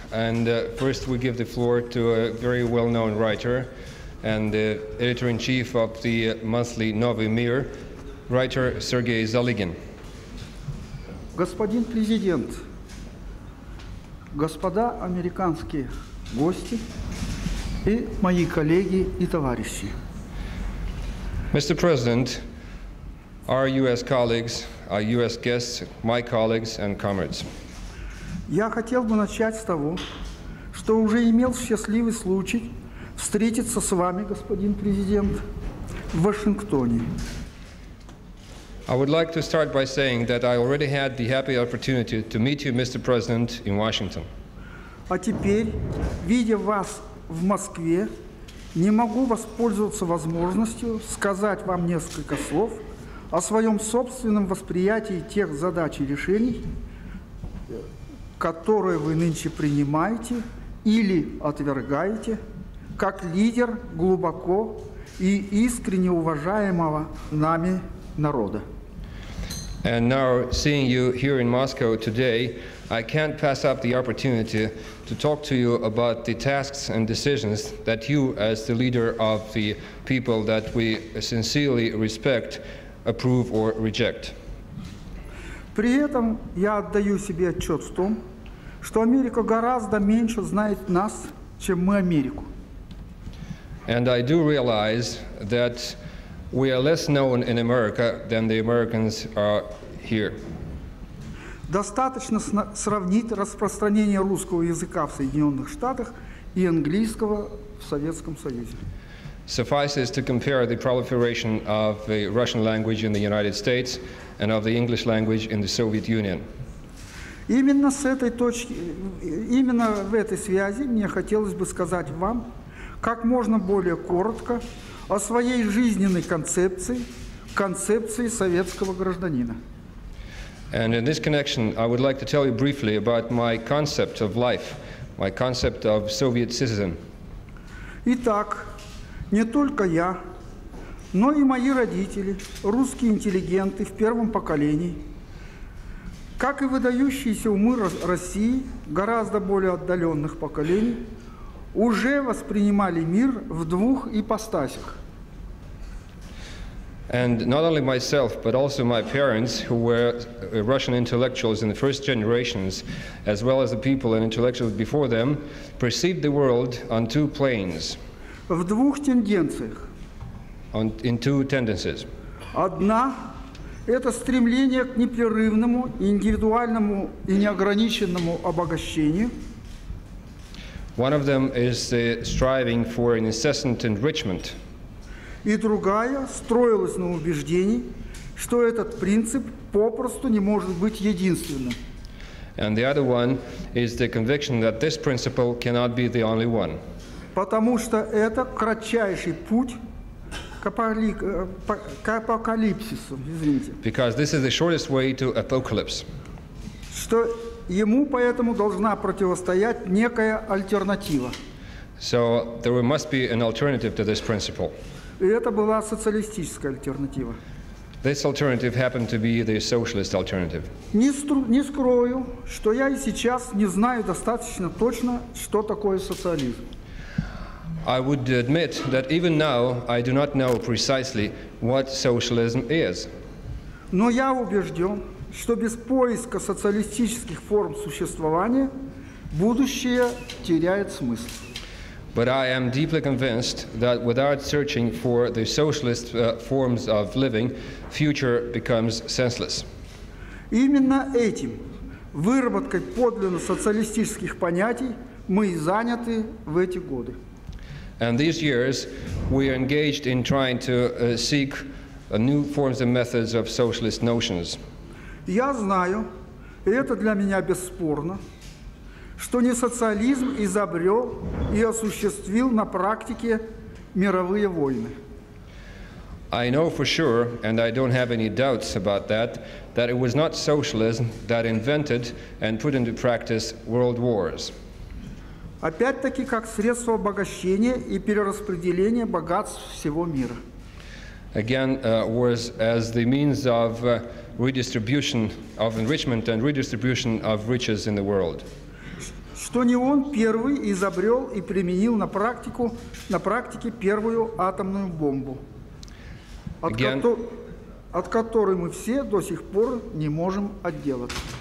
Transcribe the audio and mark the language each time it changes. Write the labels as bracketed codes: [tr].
[en] And first we give the floor to a very well-known writer and the editor-in-chief of the monthly Novy Mir, writer Sergei Zalygin. [ru] Господин президент, господа американские гости и мои коллеги и товарищи. [en] Mr. President, our US colleagues, our US guests, my colleagues and comrades. [ru] Я хотел бы начать с того, что уже имел счастливый случай встретиться с вами, господин президент, в Вашингтоне. [en] I would like to start by saying that I already had the happy opportunity to meet you, Mr. President, in Washington. [ru] А теперь, видя вас в Москве, не могу воспользоваться возможностью сказать вам несколько слов о своем собственном восприятии тех задач и решений, которые вы нынче принимаете или отвергаете, как лидер глубоко и искренне уважаемого нами народа. [en] And now, seeing you here in Moscow today, I can't pass up the opportunity to talk to you about the tasks and decisions that you, as the leader of the people that we sincerely respect, approve or reject. [ru] При этом я отдаю себе отчет в том, что Америка гораздо меньше знает нас, чем мы Америку. [en] And I do realize that we are less known in America than the Americans are here. [ru] Достаточно сравнить распространение русского языка в Соединенных Штатах и английского в Советском Союзе. [en] Suffices to compare the proliferation of the Russian language in the United States and of the English language in the Soviet Union. [ru] Именно с этой точки, именно в этой связи мне хотелось бы сказать вам как можно более коротко о своей жизненной концепции, концепции советского гражданина. [en] And in this connection, I would like to tell you briefly about my concept of life, my concept of Soviet citizen. [ru] Итак, не только я, но и мои родители, русские интеллигенты в первом поколении, как и выдающиеся умы России, гораздо более отдаленных поколений, уже воспринимали мир в двух ипостасях. [en] And not only myself, but also my parents, who were Russian intellectuals in the first generations, as well as the people and intellectuals before them, perceived the world on two planes. [ru] В двух тенденциях. [en] In two tendencies. [ru] Одна – это стремление к непрерывному, индивидуальному и неограниченному обогащению. [en] One of them is the striving for an incessant enrichment. [ru] И другая строилась на убеждении, что этот принцип попросту не может быть единственным. [en] And the other one is the conviction that this principle cannot be the only one. [ru] Потому что это кратчайший путь к апокалипсису, извините. [en] Because this is the shortest way to apocalypse. [ru] Что ему поэтому должна противостоять некая альтернатива. [en] So there must be an alternative to this principle. [ru] И это была социалистическая альтернатива. [en] This alternative happened to be the socialist alternative. [ru] Не скрою, что я и сейчас не знаю достаточно точно, что такое социализм. [en] I would admit that even now I do not know precisely what socialism is. [ru] Но я убежден, что без поиска социалистических форм существования будущее теряет смысл. [en] But I am deeply convinced that without searching for the socialist forms of living, future becomes senseless. [ru] Именно этим, выработкой подлинно социалистических понятий, мы и заняты в эти годы. [en] And these years we are engaged in trying to seek new forms and methods of socialist notions. [ru] Я знаю, и это для меня бесспорно, что не социализм изобрел и осуществил на практике мировые войны. [en] I know for sure, and I don't have any doubts about that, that it was not socialism that invented and put into practice world wars. [ru] Опять-таки, как средство обогащения и перераспределения богатств всего мира. [en] Again, was as the means of redistribution, of enrichment and redistribution of riches in the world. [ru] Что не он первый изобрел и применил на практике первую атомную бомбу, от которой мы все до сих пор не можем отделаться.